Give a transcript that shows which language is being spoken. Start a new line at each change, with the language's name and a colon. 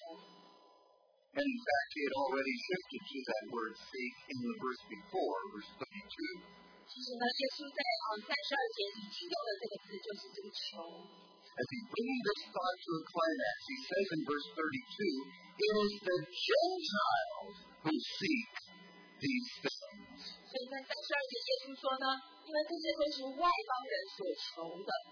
English: fact, he had already shifted to that word seek in the verse before, verse 32.
Chinese: 其实呢,耶稣在32节里提到的这个字就是这个求。
English: As he brings this thought to a climax, he says in verse 32, it is the Gentiles who seek these things. 所以在32节耶稣说呢, 因为这些都是外邦人所求的,